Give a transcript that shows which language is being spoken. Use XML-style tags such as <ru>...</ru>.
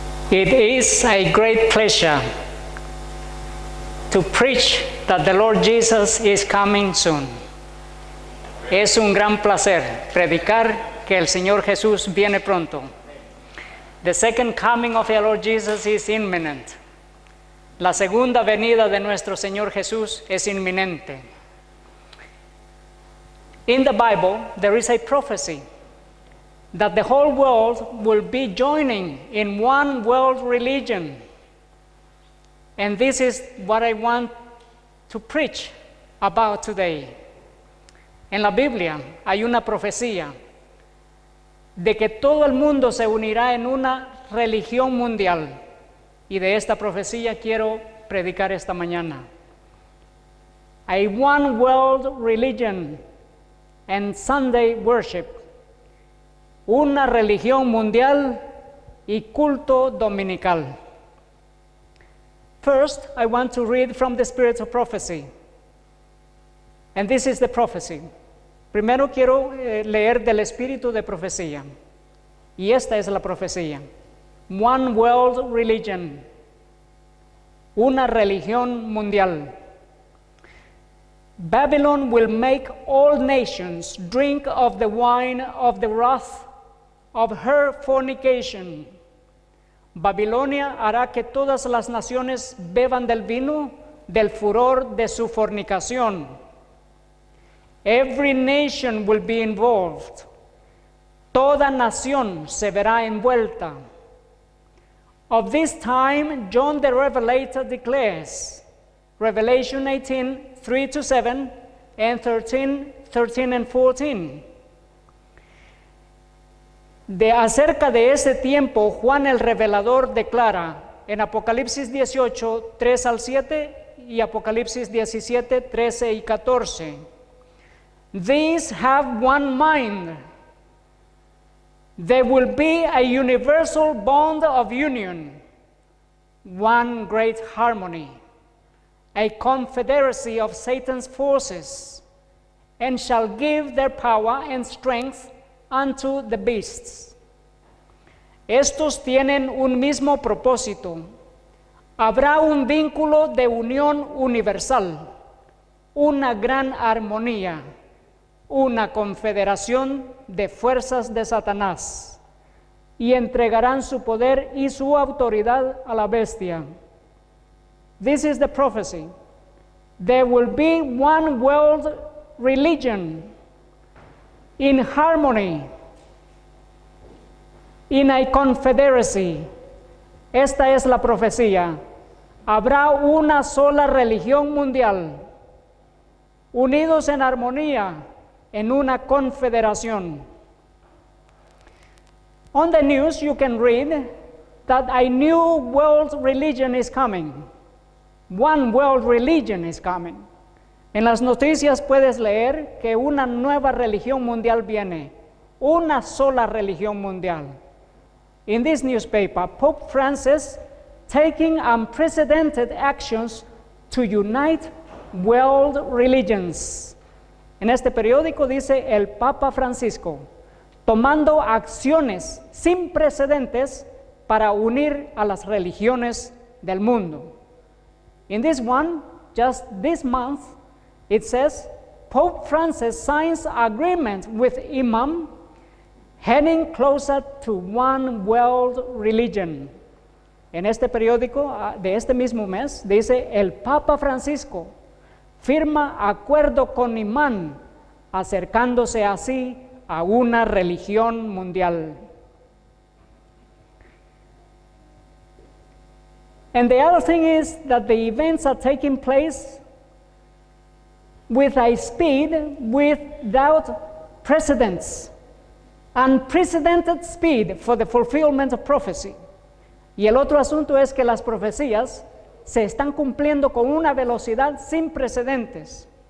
<en>It is a great pleasure to preach that the Lord Jesus is coming soon.</en> <es>Es un gran placer predicar que el Señor Jesús viene pronto.</es> <en>The second coming of the Lord Jesus is imminent.</en> <es>La segunda venida de nuestro Señor Jesús es inminente.</es> <en>In the Bible, there is a prophecy that the whole world will be joining in one world religion. And this is what I want to preach about today.</en> <es>En la Biblia hay una profecía de que todo el mundo se unirá en una religión mundial. Y de esta profecía quiero predicar esta mañana.</es> <en>A one world religion and Sunday worship.</en> <es>Una religión mundial y culto dominical.</es> <en>First, I want to read from the spirit of prophecy. And this is the prophecy.</en> <es>Primero quiero leer del espíritu de profecía. Y esta es la profecía.</es> <en>One world religion.</en> <es>Una religión mundial.</es> <en>Babylon will make all nations drink of the wine of the wrath of her fornication.</en> <es>Babilonia hará que todas las naciones beban del vino del furor de su fornicación.</es> <en>Every nation will be involved.</en> <es>Toda nación se verá envuelta.</es> <en>Of this time, John the Revelator declares, Revelation 18, 3 to 7, and 13, 13 and 14.</en> <es>De acerca de ese tiempo, Juan el Revelador declara en Apocalipsis 18, 3 al 7 y Apocalipsis 17, 13 y 14.</es> <en>These have one mind. There will be a universal bond of union, one great harmony, a confederacy of Satan's forces, and shall give their power and strength unto the beasts.</en> <es>Estos tienen un mismo propósito. Habrá un vínculo de unión universal, una gran armonía, una confederación de fuerzas de Satanás, y entregarán su poder y su autoridad a la bestia.</es> <en>This is the prophecy. There will be one world religion in harmony, in a confederacy.</en> <es>Esta es la profecía. Habrá una sola religión mundial, unidos en armonía, en una confederación.</es> <en>On the news you can read that a new world religion is coming. One world religion is coming.</en> <es>En las noticias puedes leer que una nueva religión mundial viene. Una sola religión mundial.</es> <en>In this newspaper, Pope Francis taking unprecedented actions to unite world religions.</en> <es>En este periódico dice el Papa Francisco tomando acciones sin precedentes para unir a las religiones del mundo.</es> <en>In this one, just this month, it says Pope Francis signs agreement with Imam, heading closer to one world religion.</en> <es>En este periódico de este mismo mes dice el Papa Francisco firma acuerdo con Imán, acercándose así a una religión mundial.</es> <en>And the other thing is that the events are taking place with a speed without precedents. Unprecedented speed for the fulfillment of prophecy.</en> <es>Y el otro asunto es que las profecías se están cumpliendo con una velocidad sin precedentes.</es>